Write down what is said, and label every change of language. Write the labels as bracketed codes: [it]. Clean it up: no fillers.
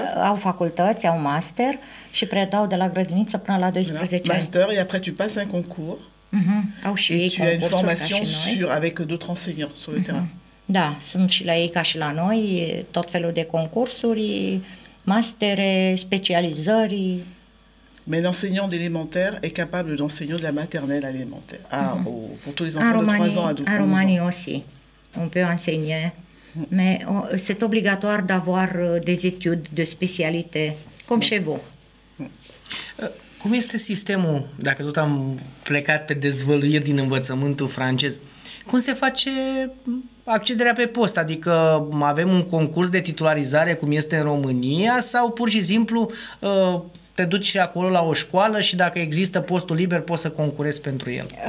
[ro] Au facultăți, au master și predau de la grădiniță până la 12 ani. [fr] Master et après tu passes un concours. Et tu as une formation avec d'autres enseignants sur le terrain. [ro] Da, sunt și la ei ca și la noi, tot felul de concursuri, mastere, specializări. [fr] Mais l'enseignant d'élémentaire est capable d'enseigner de la maternelle à l'élémentaire. Pour tous les enfants Romanie, de 3 ans à 12 ans. En Roumanie aussi, on peut enseigner. Mais c'est obligatoire d'avoir des études de spécialité, comme chez vous. [ro] Cum este sistemul, dacă tot am plecat pe dezvăluiri din învățământul francez, cum se face accederea pe post? Adică avem un concurs de titularizare cum este în România sau pur și simplu te duci acolo la o școală și dacă există postul liber poți să concurezi pentru el?